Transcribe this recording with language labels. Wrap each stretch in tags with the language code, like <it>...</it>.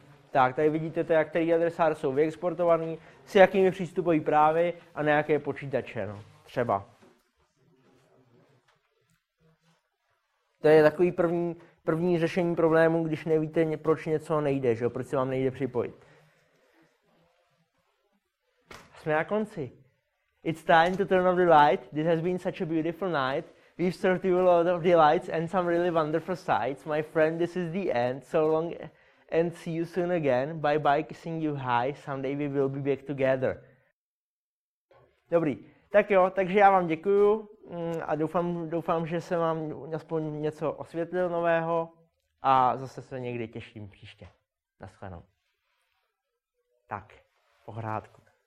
<cs>Tak, tady vidíte, jak který adresáře jsou vyexportovaný, s jakými přístupový právy a na jaké počítače, no, třeba. To je takový první řešení problému, když nevíte, proč něco nejde, že jo? Proč se vám nejde připojit. Jsme na konci.</cs> <en>It's time to turn off the light. This has been such a beautiful night. We've served you a lot of delights and some really wonderful sights. My friend, this is the end. So long and see you soon again. Bye bye, kissing you high. Someday we will be back together.</en> <cs>Dobrý. Tak jo, takže já vám děkuju. A doufám, že se vám aspoň něco osvětlil nového a zase se někdy těším příště. Naschledanou. Tak, pohrádku.</cs>